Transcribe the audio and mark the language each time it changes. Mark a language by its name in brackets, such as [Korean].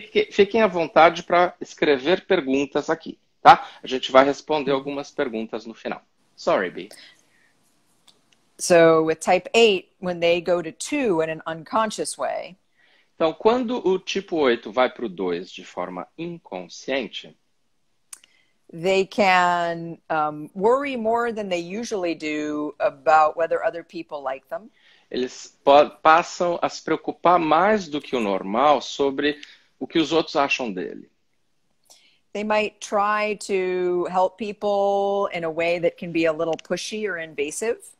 [Portuguese] Fiquem à vontade para escrever perguntas aqui, tá? A gente vai responder algumas perguntas no final. [English] Sorry, B. So, with type 8, when they go to 2 in an unconscious way. [Portuguese] Então, quando o tipo 8 vai para o 2 de forma inconsciente, [English] they can worry more than they usually do about whether other people like them. [Portuguese] Eles passam a se preocupar mais do que o normal sobre o que os outros acham dele. [English] They might try to help people in a way that can be a little pushy or invasive.